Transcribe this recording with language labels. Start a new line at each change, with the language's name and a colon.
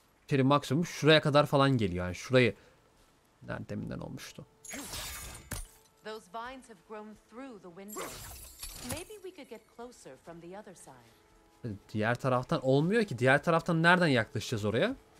Turkish: Şeri maksimum şuraya kadar falan geliyor yani şurayı. Nerede deminden olmuştu.
English: Those vines have grown through the window. Maybe we could get closer from the other side.
Turkish: Diğer taraftan olmuyor ki. Diğer taraftan nereden yaklaşacağız oraya?